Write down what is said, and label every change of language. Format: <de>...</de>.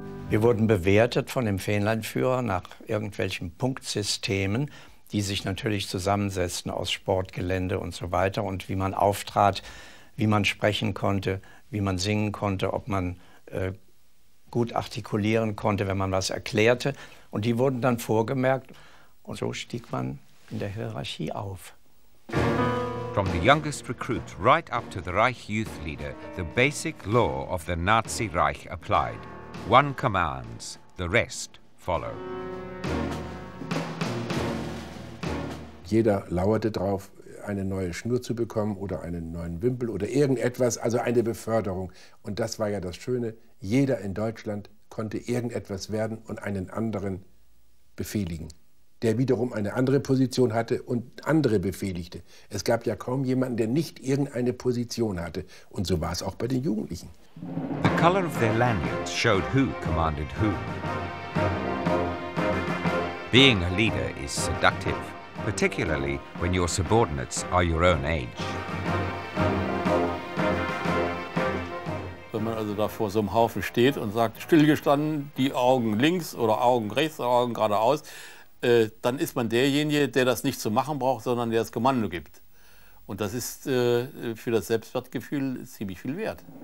<de>Wir wurden bewertet von dem Fähnleinführer nach irgendwelchen Punktsystemen, die sich natürlich zusammensetzten aus Sportgelände und so weiter. Und wie man auftrat, wie man sprechen konnte, wie man singen konnte, ob man gut artikulieren konnte, wenn man was erklärte. Und die wurden dann vorgemerkt. Und so stieg man in der Hierarchie auf.</de> <en>From the youngest recruit right up to the Reich youth leader, the basic law of the Nazi Reich applied. One commands, the rest follow.</en> <de>Jeder lauerte drauf, eine neue Schnur zu bekommen oder einen neuen Wimpel oder irgendetwas, also eine Beförderung. Und das war ja das Schöne, jeder in Deutschland konnte irgendetwas werden und einen anderen befehligen, der wiederum eine andere Position hatte und andere befehligte. Es gab ja kaum jemanden, der nicht irgendeine Position hatte. Und so war es auch bei den Jugendlichen.</de> <en>The color of their lanyards showed who commanded who. Being a leader is seductive, particularly when your subordinates are your own age.</en> <de>Wenn man also da vor so einem Haufen steht und sagt, stillgestanden, die Augen links oder Augen rechts oder Augen geradeaus, dann ist man derjenige, der das nicht zu machen braucht, sondern der das Kommando gibt. Und das ist für das Selbstwertgefühl ziemlich viel wert.</de>